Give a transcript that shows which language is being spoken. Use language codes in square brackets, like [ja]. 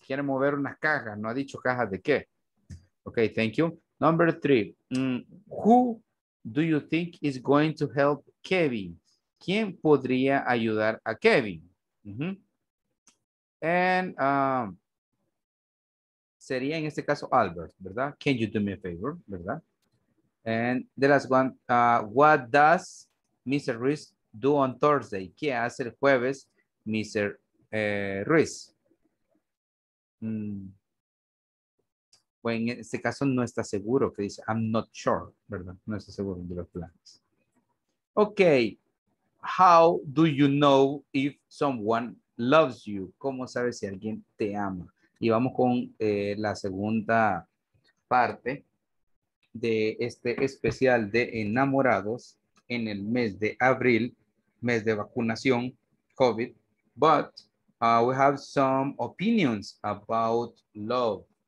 [es] Quiere mover unas cajas, no ha dicho cajas de qué. [en] Okay, thank you. Number three, who do you think is going to help Kevin? [es] ¿Quién podría ayudar a Kevin? Uh-huh. And sería en este caso Albert, ¿verdad? [en] Can you do me a favor, [es] ¿verdad? [en] And the last one, what does Mr. Ruiz do on Thursday? [es] ¿Qué hace el jueves, Mr. Ruiz? Bueno, en este caso no está seguro, que dice, [en] I'm not sure, [es] ¿verdad? No está seguro de los planes. Ok. [en] How do you know if someone loves you? [es] ¿Cómo sabes si alguien te ama? Y vamos con la segunda parte de este especial de enamorados en el mes de abril, mes de vacunación, COVID. [en] But we have some opinions about love.